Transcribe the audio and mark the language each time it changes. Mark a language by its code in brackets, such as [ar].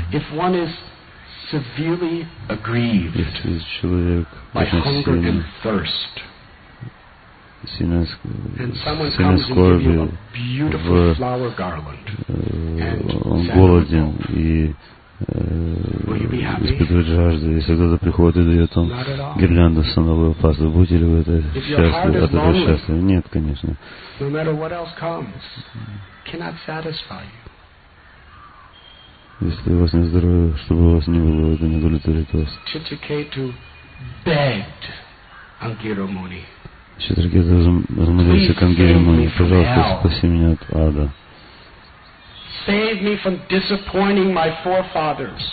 [en] If one is severely aggrieved by hunger and thirst, and someone comes and gives you a beautiful flower garland, and [ru] голоден и испытывает жажду, если кто-то приходит и дает он гирлянду сандаловой пасты, будете ли вы это счастливы, от этого счастливы? Нет, конечно. [en] No matter what else comes, cannot satisfy you. [ru] Если у вас нет здоровья, чтобы у вас не было, это не удовлетворит вас. [en] Читракету begged Ангира Муни. [ru] Читракету взмолился к Ангира Муни: пожалуйста, спаси меня от ада. [en] Save me from disappointing my forefathers.